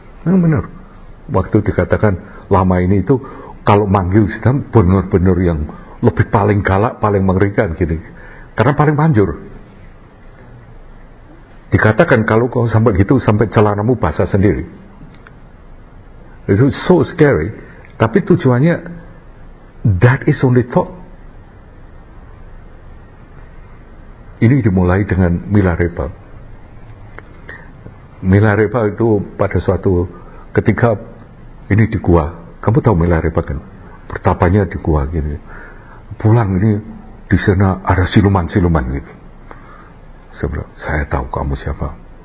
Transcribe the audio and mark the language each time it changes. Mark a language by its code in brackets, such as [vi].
[id] Nah, benar. Waktu dikatakan lama ini itu kalau manggil setan benar-benar yang lebih paling galak, paling mengerikan gini. Karena paling manjur. Dikatakan kalau kau sampai gitu, sampai celanamu basah sendiri. [en] It's so scary. [id] Tapi tujuannya, [en] that is only thought. [id] Ini dimulai dengan Milarepa. Milarepa itu pada suatu ketika ini di gua, kamu tahu Milarepa kan, bertapanya di gua gitu. Pulang ini di sana ada siluman-siluman gitu. Saya tahu kamu siapa.